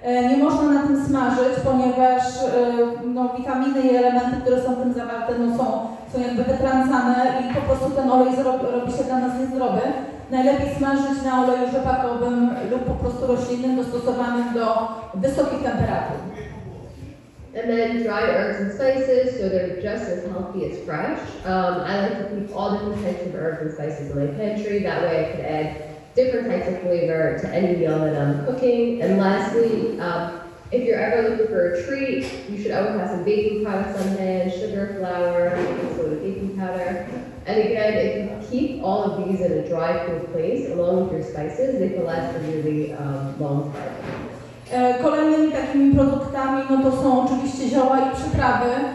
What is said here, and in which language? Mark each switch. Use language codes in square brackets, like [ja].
[pl] Nie można na tym smażyć, ponieważ no, witaminy i elementy, które są w tym zawarte, no, są jakby wytrącane i po prostu ten olej robi się dla nas niezdrowy. Najlepiej smażyć na oleju rzepakowym lub po prostu roślinnym dostosowanym do wysokich temperatur. [en] And then dry herbs and spices, so they're just as healthy as fresh. I like to keep all different types of herbs and spices in my pantry, that way I can add different types of flavor to any meal that I'm cooking. And lastly, if you're ever looking for a treat, you should always have some baking products on hand, sugar, flour, sort of baking powder. And again, if you keep all of these in a dry, cool place, along with your spices, they can last a really long time. [pl] Kolejnymi takimi produktami, no to są oczywiście zioła i przyprawy.